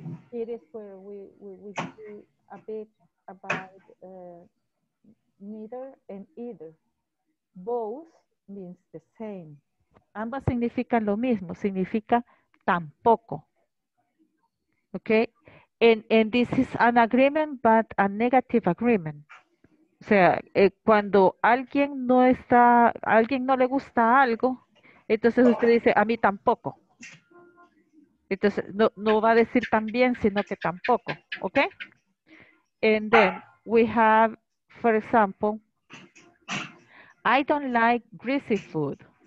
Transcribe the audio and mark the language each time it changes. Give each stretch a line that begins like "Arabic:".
English: It is where we see a bit about neither and either. Both means the same.
Spanish: Ambas significan lo mismo, significa tampoco. Okay?
English: And this is an agreement, but a negative agreement.
Spanish: O sea, cuando alguien no está, alguien no le gusta algo, entonces usted dice, a mí tampoco. Entonces, no, no va a decir también, sino que tampoco. ¿Ok?
English: And then, we have, for example, I don't like greasy food.